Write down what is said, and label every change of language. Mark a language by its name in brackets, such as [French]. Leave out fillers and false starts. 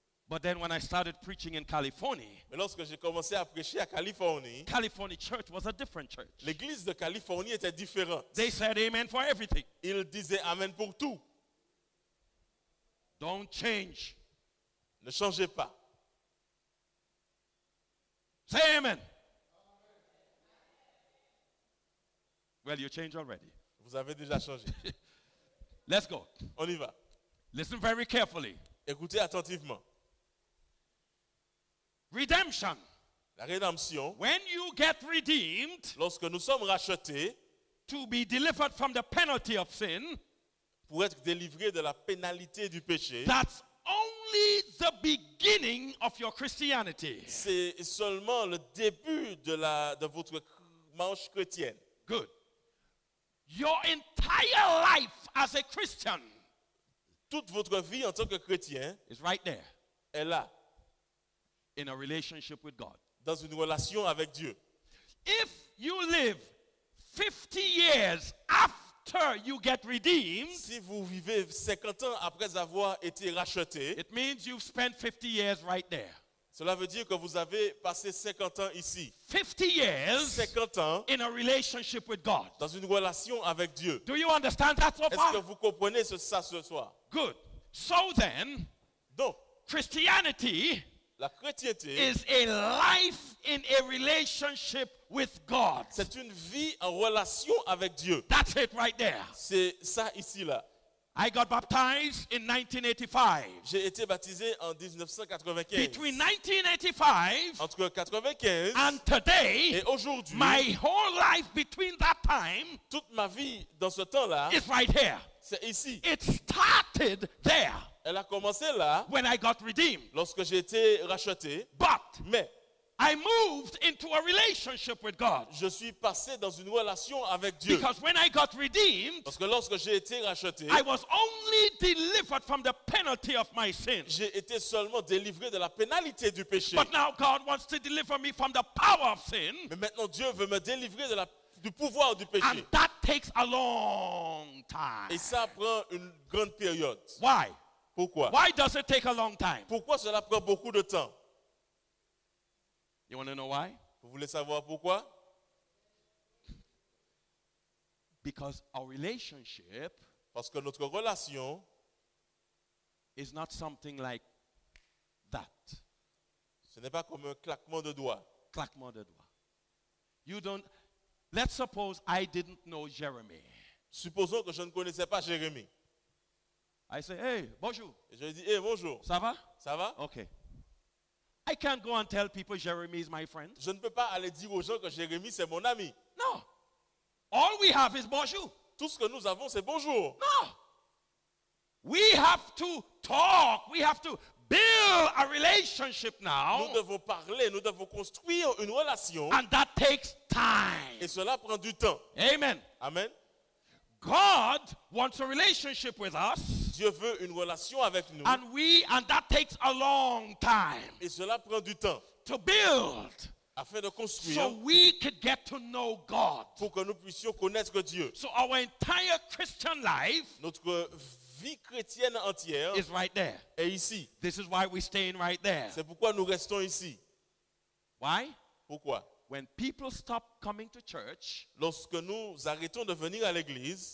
[English] But then when I started preaching in California. [French] Mais lorsque j'ai commencé à prêcher à Californie. [English] California church was a different church. [French] L'église de Californie était différente. [English] They said amen for everything. [French] Ils disaient amen pour tout. [English] Don't change. [French] Ne changez pas. [English] Say amen. Well, you changed already. [French] Vous avez déjà changé. [English] Let's go. [French] On y va. [English] Listen very carefully. [French] Écoutez attentivement. [English] Redemption. [French] La rédemption. [English] When you get redeemed, [French] lorsque nous sommes rachetés, [English] to be delivered from the penalty of sin, [French] pour être délivrés de la pénalité du péché, [English] that's only the beginning of your Christianity. [French] C'est seulement le début de votre marche chrétienne. [English] Good. Your entire life as a Christian, [French] toute votre vie en tant que chrétien, [English] is right there. [French] Est là. [English] In a relationship with God. [French] Dans une relation avec Dieu. [English] If you live 50 years after you get redeemed, [French] si vous vivez 50 ans après avoir été racheté, [English] it means you've spent 50 years right there. [French] Cela veut dire que vous avez passé 50 ans ici. [English] 50 years [French] 50 ans [English] in a relationship with God. [French] Dans une relation avec Dieu. [English] Do you understand that so far? [French] Est-ce que vous comprenez ça ce soir? [English] Good. So then, [French] donc, [English] Christianity, [French] la chrétienté, [English] is a life in a relationship with God. [French] C'est une vie en relation avec Dieu. [English] That's it right there. [French] C'est ça ici là. [English] I got baptized in 1985. [French] J'ai été baptisé en 1995. [English] Between 1985 [French] entre 95 [English] and today, [French] et aujourd'hui, [English] my whole life between that time, [French] toute ma vie dans ce temps là, [English] is right here. [French] C'est ici. [English] It started there. [French] Elle a commencé là. [English] When I got redeemed. [French] Lorsque j'ai été racheté. [English] But. [French] Mais. [English] I moved into a relationship with God. [French] Je suis passé dans une relation avec Dieu. [English] Because when I got redeemed. [French] Parce que lorsque j'ai été racheté. [English] I was only delivered from the penalty of my sin. [French] J'ai été seulement délivré de la pénalité du péché. [English] But now God wants to deliver me from the power of sin. [French] Mais maintenant Dieu veut me délivrer du pouvoir du péché. [English] And that takes a long time. [French] Et ça prend une grande période. [English] Why? [French] Pourquoi? [English] Why does it take a long time? [French] Pourquoi cela prend beaucoup de temps? [English] You want to know why? [French] Vous voulez savoir pourquoi? [English] Because our relationship, [French] parce que notre relation, [English] is not something like that. [French] Ce n'est pas comme un claquement de doigts. Claquement de doigts. [English] You don't. Let's suppose I didn't know Jeremy. [French] Supposons que je ne connaissais pas Jérémy. [English] I say, hey, bonjour. [French] Et je lui dis, hey, bonjour. Ça va? Ça va? [English] Okay. I can't go and tell people Jeremy is my friend. [French] Je ne peux pas aller dire aux gens que Jérémy c'est mon ami. [English] No. All we have is bonjour. [French] Tout ce que nous avons c'est bonjour. [English] No. We have to talk. We have to build a relationship now. [French] Nous devons parler, nous devons construire une relation. [English] And that takes time. [French] Et cela prend du temps. [English] Amen. [French] Amen. [English] God wants a relationship with us. [French] Dieu veut une relation avec nous. [English] And that takes a long time. [French] Et cela prend du temps. [English] To build. [French] Afin de construire. [English] So we could get to know God. [French] Pour que nous puissions connaître Dieu. [English] So our entire Christian life. [French] Notre vie chrétienne entière [English] is right there. [French] Est ici. [English] This is why we're staying right there. [French] C'est pourquoi nous restons ici. [English] Why? [French] Pourquoi? [English] When people stop coming to church, [French] lorsque nous arrêtons de venir à l'église,